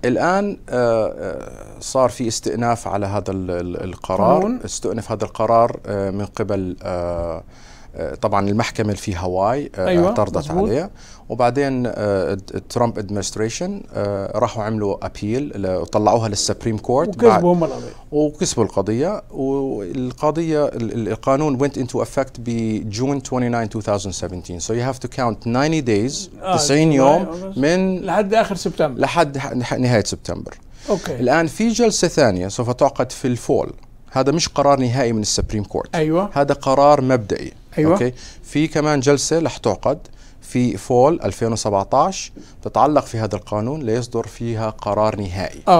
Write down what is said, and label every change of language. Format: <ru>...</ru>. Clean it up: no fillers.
<ar>الآن صار في استئناف على هذا القرار. استئناف هذا القرار من قبل طبعا المحكمة في هاواي. أيوة. اعترضت مزبوط. عليها وبعدين ترامب ادمنستريشن راحوا عملوا أبيل وطلعوها للسبريم كورت وكسبوا هم القضية والقضية القانون</ar> <en>went into effect ب June 29, 2017. so you have to count 90 days</en> <ar>90 يوم من لحد آخر سبتمبر لحد نهاية سبتمبر. أوكي. الآن في جلسة ثانية سوف تعقد في الفول. هذا مش قرار نهائي من السبريم كورت. أيوة. هذا قرار مبدئي. أيوة. أوكي. في كمان جلسة لح تعقد في فول 2017 تتعلق في هذا القانون ليصدر فيها قرار نهائي.</ar>